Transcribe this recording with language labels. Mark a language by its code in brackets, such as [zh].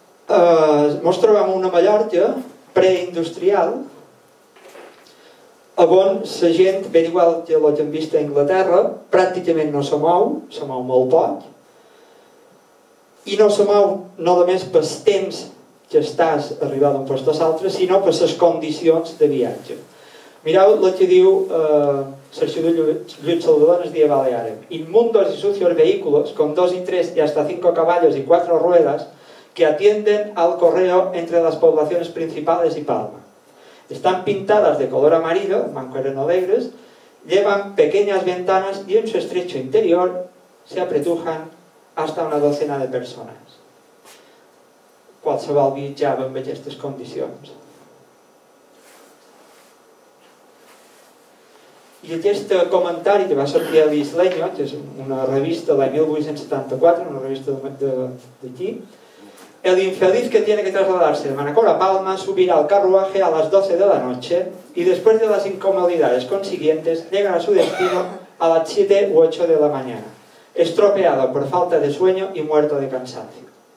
[ca] Ens trobem una Mallorca preindustrial on la gent, ben igual que la que hem vist a Anglaterra, pràcticament no se mou molt poc, i no se mou no només pel temps que estàs arribant d'un lloc a l'altre, sinó per les condicions de viatge. Mirau el que diu Sergio de Lluís Salvador es diu Balearen. [es] Inmundos y sucios vehículos, con dos y tres y hasta cinco caballos y cuatro ruedas, que atienden al correo entre las poblaciones principales y Palma. Están pintadas de color amarillo, mancueros no negros, llevan pequeñas ventanas y en su estrecho interior se apretujan hasta una docena de personas. [ca] Qualsevol viatjava amb aquestes condicions. I aquest comentari que va sortir a l'Isleño, que és una revista de 1874, una revista d'aquí, [es] el infeliz que tiene que trasladarse de Manacor a Palma subirá al carruaje a las 12 de la noche y después de las incomodidades consiguientes llegan a su destino a las 7 u 8 de la mañana, estropeado por falta de sueño y muerto de cansancio.